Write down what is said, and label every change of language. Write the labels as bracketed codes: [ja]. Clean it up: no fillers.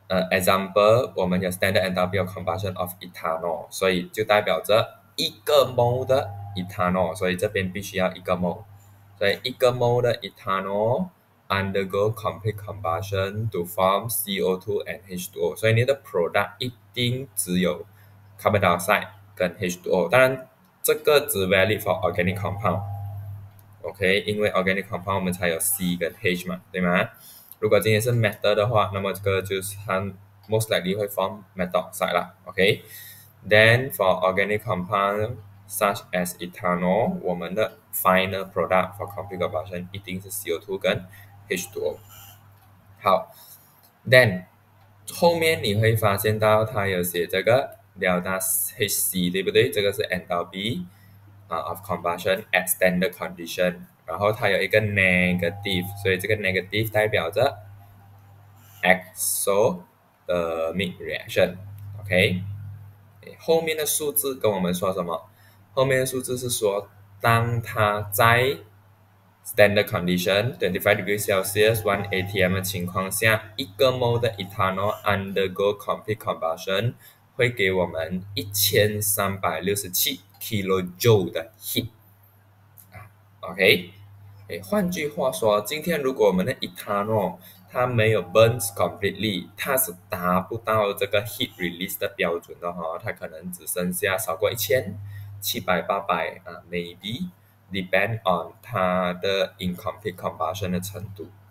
[zh] example，我们有 standard enthalpy of combustion of ethanol，所以就代表着一个 mole 的 ethanol，所以这边必须要一个 mole，所以一个 mole 的 ethanol [en] undergo complete combustion to form CO2 and H2O， [zh] 所以你的 product 一定只有 carbon dioxide 跟 H2O，当然这个只 [en] valid for organic compound， [zh] OK，因为 organic compound 我们才有 C 跟 H 嘛，对吗？如果今天是 metal 的话，那么这个就是它 most likely 会 form metal oxide 啦。 [en] OK，then for organic compound such as ethanol， [zh] 我们的 [en] final product for complete combustion [zh] 一定是 [en] CO2 跟 H2O。 [zh] 好，then 后面你会发现到它有写这个 delta Hc，对不对？这个是 enthalpy of combustion at standard condition。然后它有一个 negative，所以这个 negative 代表着 exothermic reaction，OK？后面的数字跟我们说什么？后面的数字是说，当它在 standard condition 25 degrees Celsius 1 atm 的情况下，一个 mole 的 ethanol undergo complete combustion 会给我们1367 kilojoule 的 heat OK？诶，换句话说，今天如果我们的 ethanol 它没有 burns completely，它是达不到这个 heat release 的标准的话，它可能只剩下少过1700、800maybe depend on 它的 incomplete combustion 的程度。